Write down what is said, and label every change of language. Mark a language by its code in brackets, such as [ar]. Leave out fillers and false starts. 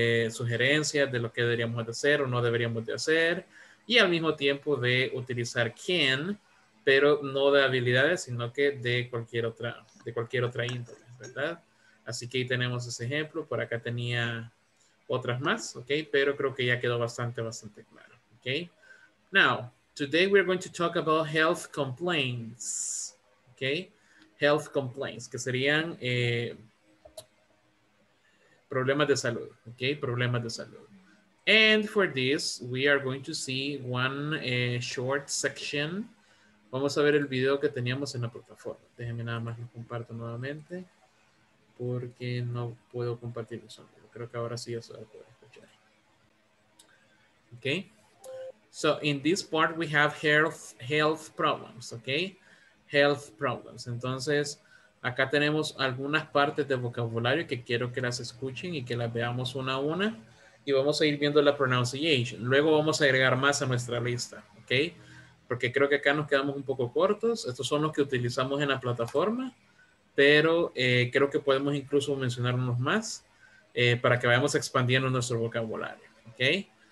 [es] Sugerencias de lo que deberíamos de hacer o no deberíamos de hacer. Y al mismo tiempo de utilizar can, pero no de habilidades, sino que de cualquier otra índole, ¿verdad? Así que ahí tenemos ese ejemplo. Por acá tenía otras más, ¿ok? Pero creo que ya quedó bastante, bastante claro. [en] Okay, now today we're going to talk about health complaints. Okay, health complaints, [es] que serían problemas de salud. [en] Okay, [es] problemas de salud. [en] And for this, we are going to see one short section. [es] Vamos a ver el video que teníamos en la plataforma. Déjenme nada más lo comparto nuevamente porque no puedo compartir el sonido. Creo que ahora sí ya se va a poder escuchar. Okay. [en] So in this part we have health problems, okay? Health problems. [es] Entonces, acá tenemos algunas partes de vocabulario que quiero que las escuchen y que las veamos una a una y vamos a ir viendo la pronunciation. Luego vamos a agregar más a nuestra lista, okay? Porque creo que acá nos quedamos un poco cortos. Estos son los que utilizamos en la plataforma, pero creo que podemos incluso mencionar unos más para que vayamos expandiendo nuestro vocabulario, okay?